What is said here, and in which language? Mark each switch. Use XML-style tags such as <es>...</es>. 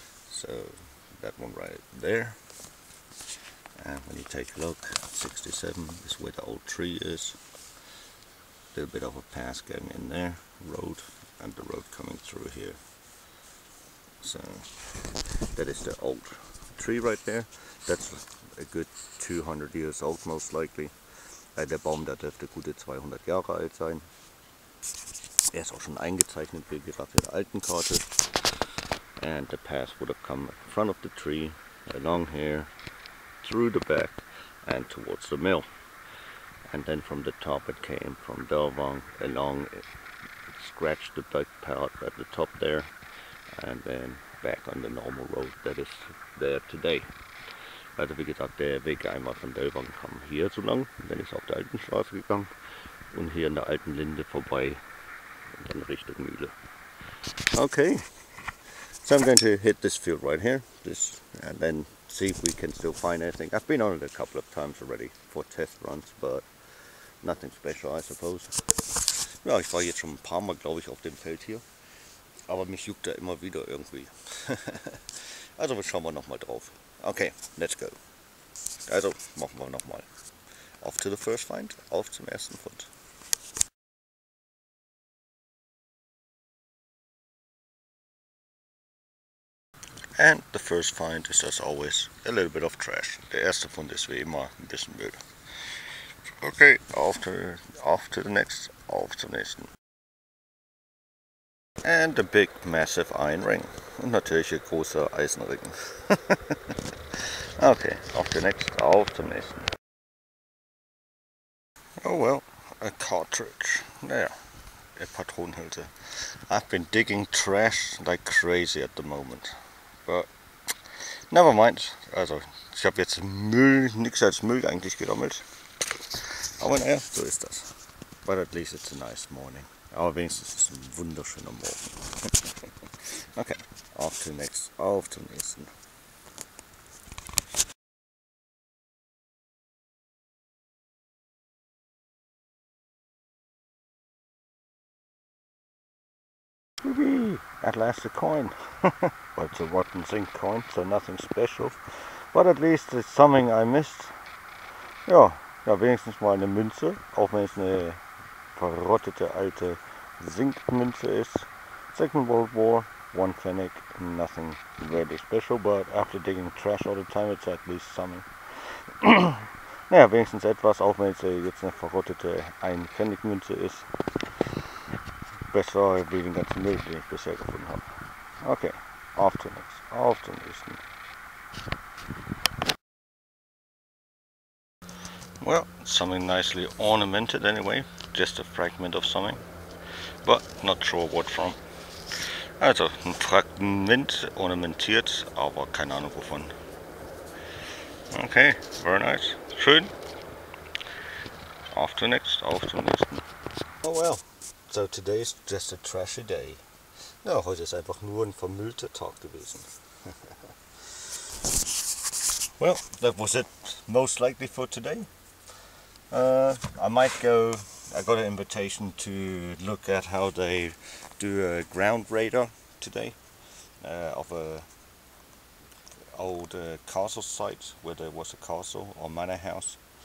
<en>So that one right there. And when you take a look, 67 is where the old tree is. Little bit of a pass going in there, road, and the road coming through here. So that is the old tree right there. That's a good 200 years old, most likely.</en> <de>Der Baum, der dürfte gute 200 Jahre alt sein. Er ist auch schon eingezeichnet, wie gesagt, in der alten Karte.</de> <en>And the path would have come in front of the tree, along here, through the back, and towards the mill. And then from the top it came from Delvang, along, it scratched the back part at the top there, and then back on the normal road that is there today.</en> <de>Also wie gesagt, der Weg einmal von Delvang kam hier so lang, dann ist auf der alten Straße gegangen und hier an der alten Linde vorbei und dann Richtung Mühle.</de> <en>Okay, so I'm going to hit this field right here, this, and then see if we can still find anything. I've been on it a couple of times already for test runs, but nothing special, I suppose.</en> <de>Ja, ich war jetzt schon ein paar Mal, glaube ich, auf dem Feld hier, aber mich juckt da immer wieder irgendwie. Also schauen wir nochmal drauf.</de> <en>Okay, let's go.</en> <de>Also, machen wir nochmal. Auf</de> <en>to the first find,</en> <de>auf zum ersten Fund.</de> <en>And the first find is, as always, a little bit of trash.</en> <de>Der erste Fund ist wie immer ein bisschen Müll.</de> <en>Okay, off to the next,</en> <de>auf zum nächsten.</de> <en>And a big, massive iron ring.</en> <de>Und natürlich ein großer Eisenring. Okay, auf zum nächsten. Auf zum nächsten.</de> <en>Oh well, a cartridge.</en> <de>Naja, eine Patronenhülse.</de> <en>I've been digging trash like crazy at the moment. But, never mind.</en> <de>Also, ich habe jetzt Müll, nichts als Müll eigentlich gerammelt. Aber naja, so ist das.</de> <en>But at least it's a nice morning.</en> <de>Aber wenigstens ist es ein wunderschöner Morgen. Okay, auf zum nächsten. Auf zum nächsten.</de> <en>At last a coin. Well, it's a rotten zinc coin, so nothing special. But at least it's something I missed.</en> <de>Ja, ja, wenigstens mal eine Münze, auch wenn es eine verrottete alte Zinkmünze ist.</de> <en>Second World War, one pfennig, nothing really special, but after digging trash all the time, it's at least something.</en> <de>Naja, wenigstens etwas, auch wenn es jetzt eine verrottete 1-Pfennig-Münze ist. Besser wie den ganzen Müll, den ich bisher gefunden habe. Okay, auf zum nächsten. Auf zum nächsten.</de> <en>Well, something nicely ornamented anyway. Just a fragment of something. But not sure what from.</en> <de>Also, ein Fragment ornamentiert, aber keine Ahnung wovon.</de> <en>Okay, very nice.</en> <de>Schön. Auf zum nächsten. Auf zum nächsten.</de> <en>Oh well. So today is just a trashy day.</en> <de>Ja, heute ist einfach nur ein vermüllter Tag gewesen.</de> <en>Well, that was it most likely for today. I got an invitation to look at how they do a ground radar today of a old castle site where there was a castle or manor house.</en>